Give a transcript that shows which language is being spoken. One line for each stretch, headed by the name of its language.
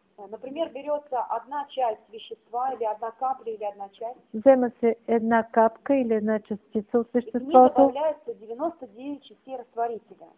Russian: Например, берется одна часть вещества или одна капля или одна часть.
Bulgarian: Взема се една капка или една частица от веществото.
Russian: И добавляется 99 частей растворителя.